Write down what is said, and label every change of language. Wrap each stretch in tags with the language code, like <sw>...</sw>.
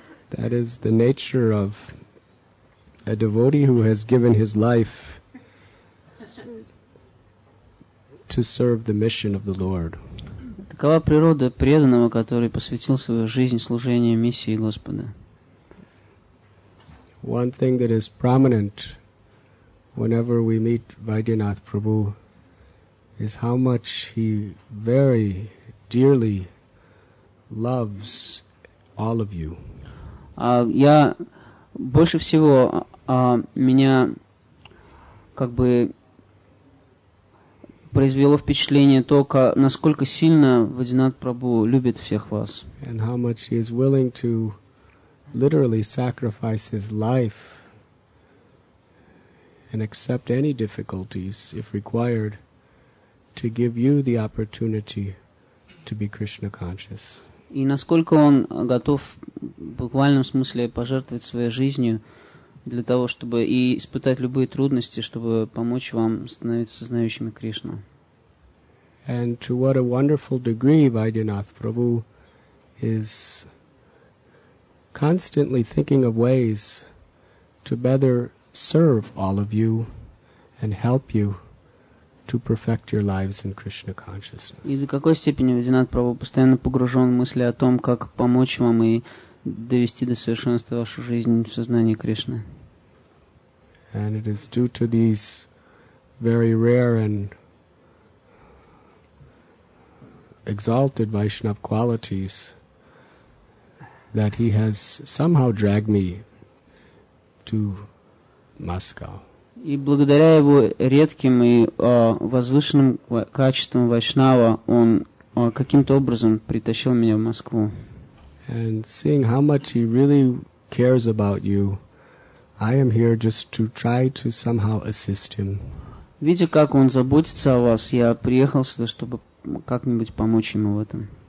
<en>That is the nature of a devotee who has given his life to serve the mission of the Lord.</en> <ru>Такова природа преданного, который посвятил свою жизнь служению миссии Господа.</ru> <en>One thing that is prominent whenever we meet Vaidyanath Prabhu is how much he very dearly loves all of you.</en> <ru>Я больше всего меня как бы произвело впечатление то, насколько сильно Вайдинат Прабху любит всех вас.</ru> <en>And how much he is willing to literally sacrifice his life and accept any difficulties, if required, to give you the opportunity to be Krishna conscious.</en> <ru>И насколько он готов в буквальном смысле пожертвовать своей жизнью для того, чтобы и испытать любые трудности, чтобы помочь вам становиться знающими Кришну.</ru> <en>And to what a wonderful degree Vaidyanath Prabhu is constantly thinking of ways to better serve all of you and help you to perfect your lives in Krishna consciousness.</en> <ru>И до какой степени Вайдинат Прабху постоянно погружен в мысли о том, как помочь вам и довести до совершенства вашу жизнь в сознании Кришны.</ru> <en>And it is due to these very rare and exalted Vaishnava qualities that he has somehow dragged me to Moscow.</en> <ru>И благодаря его редким и возвышенным качествам вайшнава, он каким-то образом притащил меня в Москву.</ru> <en>And seeing how much he really cares about you, I am here just to try to somehow assist him.</en> <ru>Видя, как он заботится о вас, я приехал сюда, чтобы как-нибудь помочь ему в этом.</ru>